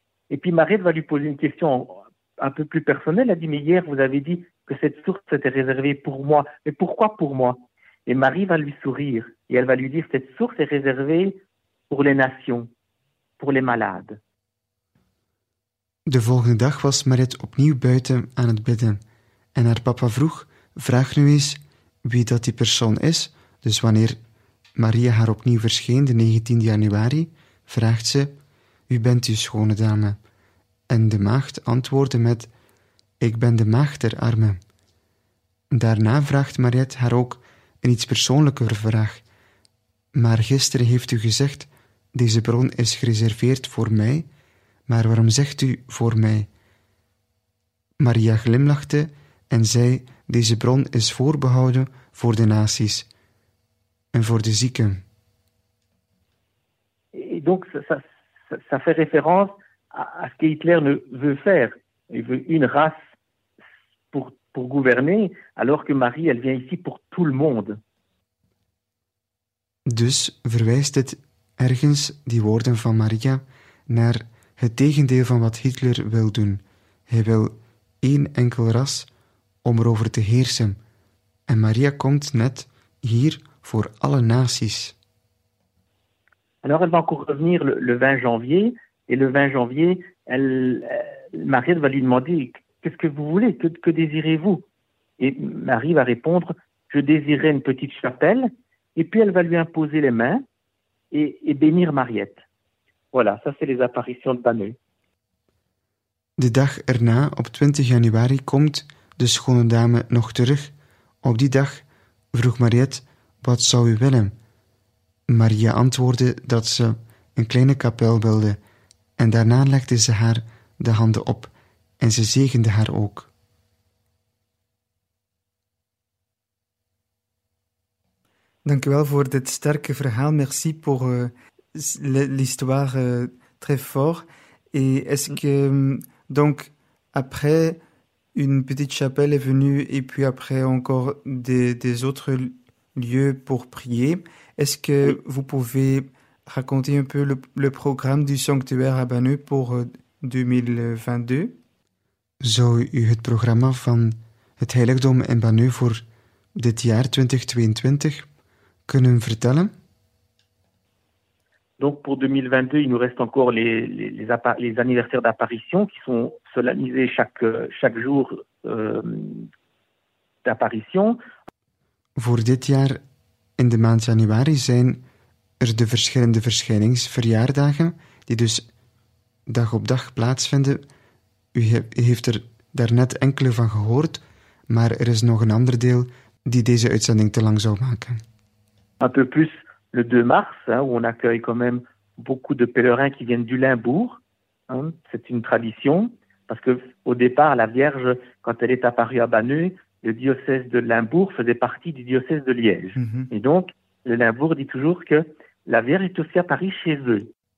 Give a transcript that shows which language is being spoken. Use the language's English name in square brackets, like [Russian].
[French] Et puis Mariette va lui poser une question un peu plus personnelle. Elle dit, mais hier, vous avez dit que cette source était réservée pour moi. Mais pourquoi pour moi? Et Marie va lui sourire et elle va lui dire, cette source est réservée pour les nations. Pour les malades. [Dutch] De volgende dag was Mariette opnieuw buiten aan het bidden. En haar papa vroeg, vraag nu eens wie dat die persoon is. Dus wanneer Maria haar opnieuw verscheen, de 19 januari, vraagt ze, wie bent u, schone dame? En de maagd antwoordde met, ik ben de maagd der armen. Daarna vraagt Mariette haar ook een iets persoonlijker vraag. Maar gisteren heeft u gezegd, deze bron is gereserveerd voor mij, maar waarom zegt u voor mij? Maria glimlachte en zei, deze bron is voorbehouden voor de naties en voor de zieken. [French] Et donc ça fait référence à ce que Hitler ne veut faire. Il veut une race pour gouverner, alors que Marie, elle vient ici pour tout le monde. [Dutch] Dus verwijst het ergens die woorden van Maria naar het tegendeel van wat Hitler wil doen. Hij wil één enkel ras om erover te heersen. En Maria komt net hier voor alle naties. [French] Alors elle va encore revenir le 20 janvier. Et le 20 janvier, Maria va lui demander, qu'est-ce que vous voulez? Que désirez-vous? Et Marie va répondre, je désirais une petite chapelle. Et puis elle va lui imposer les mains. Et bénir Mariette. Voilà, ça c'est les apparitions de Banu. [Dutch] De dag erna, op 20 januari, komt de schone dame nog terug. Op die dag vroeg Mariette, wat zou u willen? Maria antwoordde dat ze een kleine kapel wilde. En daarna legde ze haar de handen op. En ze zegende haar ook. Dank u wel voor dit sterke verhaal. [French] Merci pour l'histoire très fort. Et est-ce que, donc, après, une petite chapelle est venue et puis après encore des autres lieux pour prier. Est-ce que vous pouvez raconter un peu le programme du sanctuaire à Banu pour 2022? [Dutch] Zou u het programma van het heiligdom in Banu voor dit jaar 2022 kunnen vertellen? [French] Donc pour 2022, il nous reste encore les anniversaires d'apparition qui sont solennisés chaque jour d'apparition. [Dutch] Voor dit jaar in de maand januari zijn er de verschillende verschijningsverjaardagen die dus dag op dag plaatsvinden. U heeft er daarnet enkele van gehoord, maar er is nog een ander deel die deze uitzending te lang zou maken. [French] Un peu plus le 2 mars, hein, où on accueille quand même beaucoup de pèlerins qui viennent du Limbourg. Hein. C'est une tradition, parce qu'au départ, la Vierge, quand elle est apparue à Banu, le diocèse de Limbourg faisait partie du diocèse de Liège. Mm-hmm. Et donc, le Limbourg dit toujours que la Vierge est aussi apparue chez eux.